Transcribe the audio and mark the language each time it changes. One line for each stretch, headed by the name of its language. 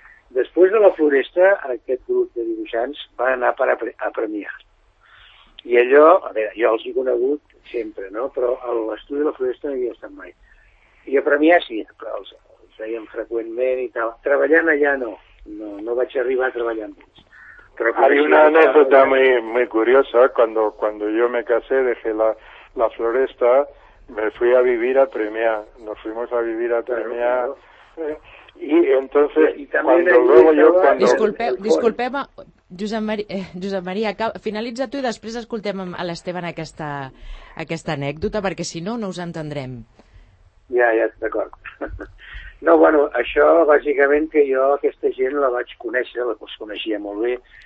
Catalan: Després de la Floresta, aquest grup de dibuixants va anar a Premià. I allò, a veure, jo els he conegut sempre, no? Però a l'estudi de la Floresta no hi havia estat mai. I a Premià sí, però els veiem freqüentment i tal. Treballant allà no vaig arribar a treballar amb ells.
Spanish: Hay una anécdota muy, muy curiosa. Cuando yo me casé, dejé la Floresta, me fui a vivir a Premià. Nos fuimos a vivir a Premià. Y entonces,
Catalan: Disculpeu-me, Josep Maria, finalitza tu i després escoltem a l'Esteban aquesta anècdota, perquè si no, no us entendrem. Ja, d'acord. No, bueno, això, bàsicament, que jo aquesta gent la vaig conèixer, la coneixia molt bé.